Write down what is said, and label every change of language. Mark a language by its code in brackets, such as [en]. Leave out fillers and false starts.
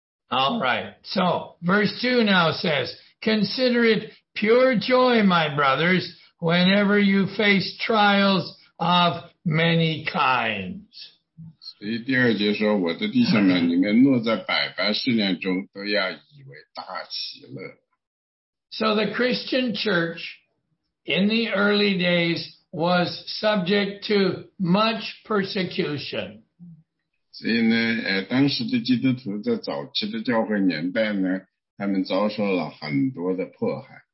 [en] All right, so verse 2 now says, consider it pure joy, my brothers, whenever you face trials of many kinds. [zh] 所以第二节说,我的弟兄们,你们落在百般试炼中都要以为大喜乐。 [en] So the Christian church in the early days was subject to much persecution. [zh] 所以呢,当时的基督徒在早期的教会年代呢,他们遭受了很多的迫害。